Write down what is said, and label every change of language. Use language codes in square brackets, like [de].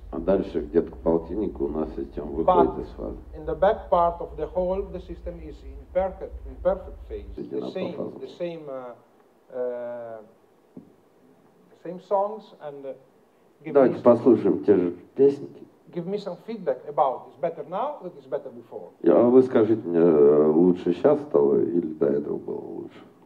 [ru] А дальше где-то к полтиннику у нас система выходит из фазы. [en] But in the back part of the hole, the system is in perfect phase. The same songs and. [ru] Давайте послушаем те же песенки. [en] Give me some feedback about it's better now or it's better before. [ru] Я вы скажите мне, лучше сейчас стало или до этого было лучше?